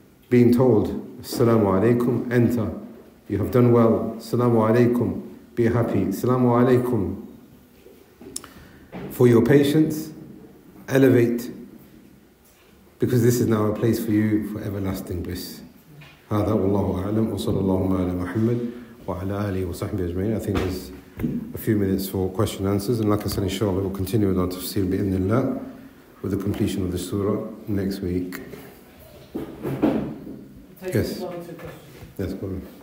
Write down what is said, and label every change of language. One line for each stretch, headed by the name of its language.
English: being told, Assalamu alaykum, enter, you have done well, Assalamu alaykum, be happy, Assalamu alaykum, for your patience, elevate, because this is now a place for you for everlasting bliss.
Arabic: هذا والله أعلم وصلى الله على محمد وعلى آله وصحبه أجمعين.
English: I think there's a few minutes for question and answers, and like I said, inshallah, we'll continue with our tafsir
Arabic: بإذن الله
English: with the completion of the surah next week. Yes. Yes, go ahead.